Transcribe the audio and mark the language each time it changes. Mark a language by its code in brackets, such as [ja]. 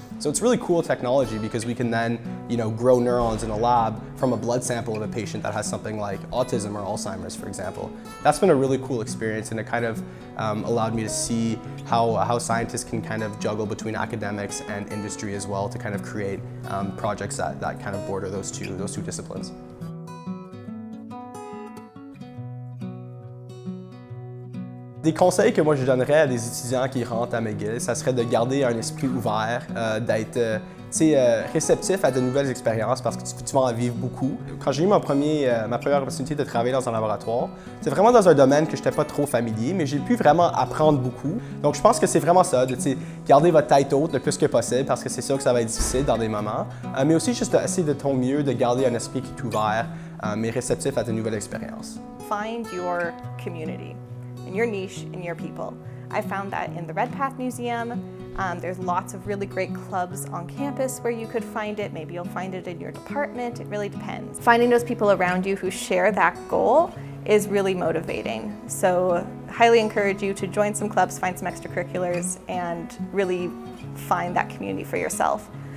[en] So it's really cool technology because we can then, you know, grow neurons in a lab from a blood sample of a patient that has something like autism or Alzheimer's, for example. That's been a really cool experience, and it kind of allowed me to see how scientists can kind of juggle between academics and industry as well to kind of create projects that kind of border those two disciplines. [fr] Des conseils que moi je donnerais à des étudiants qui rentrent à McGill, ça serait de garder un esprit ouvert, d'être réceptif à de nouvelles expériences parce que tu vas en vivre beaucoup. Quand j'ai eu ma première opportunité de travailler dans un laboratoire, c'est vraiment dans un domaine que je n'étais pas trop familier, mais j'ai pu vraiment apprendre beaucoup. Donc je pense que c'est vraiment ça, de garder votre tête haute le plus que possible parce que c'est sûr que ça va être difficile dans des moments, mais aussi juste d'essayer de ton mieux, de garder un esprit qui est ouvert, mais réceptif à de nouvelles expériences. [en] Find your community. In your niche, in your people. I found that in the Red Path Museum, there's lots of really great clubs on campus where you could find it. Maybe you'll find it in your department. It really depends. Finding those people around you who share that goal is really motivating. So highly encourage you to join some clubs, find some extracurriculars, and really find that community for yourself.